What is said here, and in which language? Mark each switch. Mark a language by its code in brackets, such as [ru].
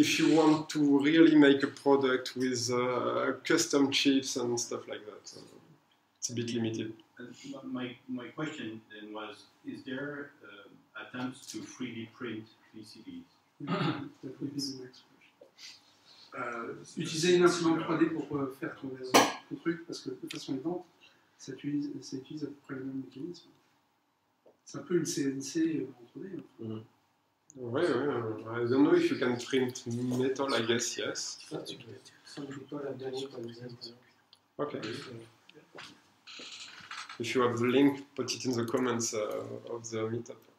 [en] If you want to really make a product with custom chips and stuff like that, it's a bit limited. And my question then was, is there attempts to 3D print PCBs? That would be the next question. [fr] Utiliser une imprimante 3D pour faire ton truc, parce que de toute façon, ça utilise à peu près le même mécanisme. C'est un peu une CNC en 3D. [en] Oui. I don't know if you can print metal, I guess, yes. Ok. If you have the link, put it in the comments of the meetup.